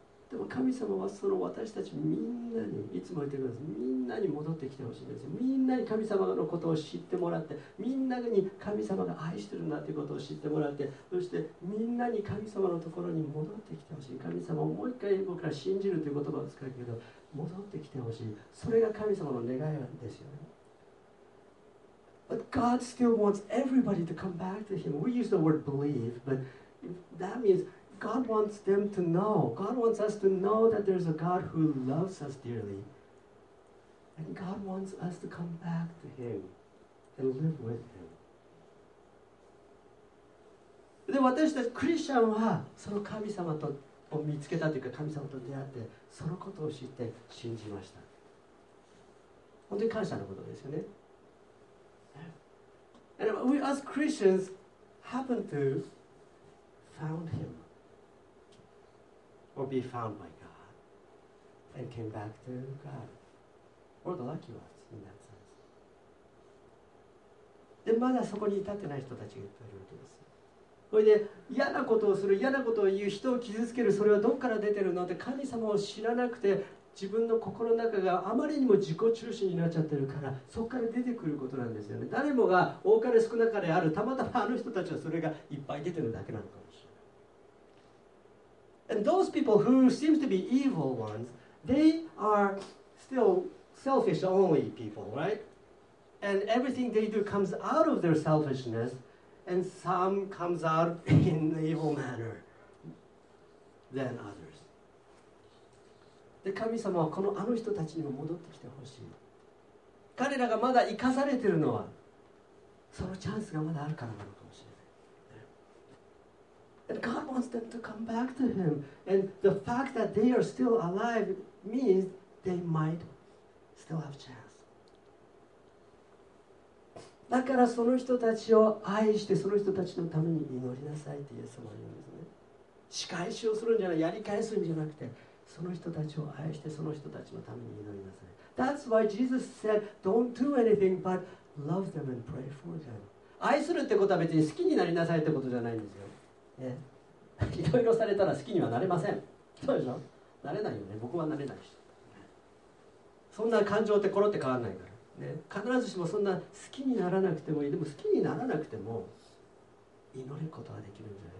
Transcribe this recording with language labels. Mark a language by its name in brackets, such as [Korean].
[Japanese] でも神様はその私たちみんなに、いつも言ってください、みんなに戻ってきてほしいんですよ。みんなに神様のことを知ってもらって、みんなに神様が愛してるんだということを知ってもらって、そしてみんなに神様のところに戻ってきてほしい。神様をもう一回僕ら信じるという言葉を使うけど、戻ってきてほしい。それが神様の願いなんですよね。 [English] But God still wants everybody to come back to Him. We use the word believe, but that means God wants them to know. God wants us to know that there's a God who loves us dearly. And God wants us to come back to Him and live with Him. [Japanese] で、私たちクリスチャンはその神様とを見つけたというか、神様と出会ってそのことを知って信じました。本当に感謝のことですよね。 [English] And we as Christians happen to found him or be found by God and came back to God. We're the lucky ones in that sense. [Japanese] で、まだそこに至ってない人たちがいっぱいいるわけです。それで嫌なことをする、嫌なことを言う、人を傷つける、それはどこから出てるのって、神様を知らなくて、自分の心の中があまりにも自己中心になっちゃってるから、そこから出てくることなんですよね。誰もが多かれ少なかれある、たまたまあの人たちはそれがいっぱい出てるだけなのかもしれない。 [English] And those people who seem to be evil ones, they are still selfish only people, right? And everything they do comes out of their selfishness, and some comes out in an evil manner than others. [Japanese] で、神様はこのあの人たちにも戻ってきてほしい。彼らがまだ生かされているのは、そのチャンスがまだあるからなのかもしれない。 [English] And God wants them to come back to Him. And the fact that they are still alive means they might still have a chance. [Japanese] だからその人たちを愛して、その人たちのために祈りなさいってイエス様は言うんですね。仕返しをするんじゃない、やり返すんじゃなくて、その人たちを愛して、その人たちのために祈りなさい。 [English] That's why Jesus said, don't do anything but love them and pray for them. [Japanese] 愛するってことは別に好きになりなさいってことじゃないんですよ。いろいろされたら好きにはなれません。そうでしょ？なれないよね。僕はなれないし。そんな感情ってコロって変わらないから、ね。必ずしもそんな好きにならなくてもいい。でも好きにならなくても祈ることができるんじゃない。